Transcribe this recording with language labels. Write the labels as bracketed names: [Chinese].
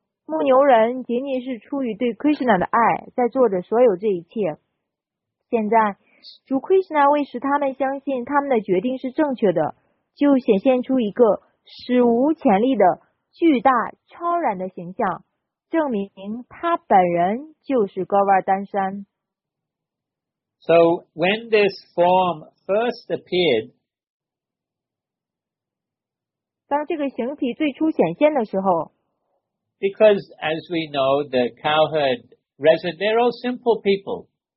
[Chinese] 牧牛人仅仅是出于对 Krishna 的爱，在做着所有这一切。现在，主 Krishna 为使他们相信他们的决定是正确的，就显现出一个史无前例的巨大超然的形象，证明他本人就是戈瓦丹山。 [English] So when this form first appeared, [Chinese] 当这个形体最初显现的时候 [English] because as we know, the cowherd resident, they're all simple people.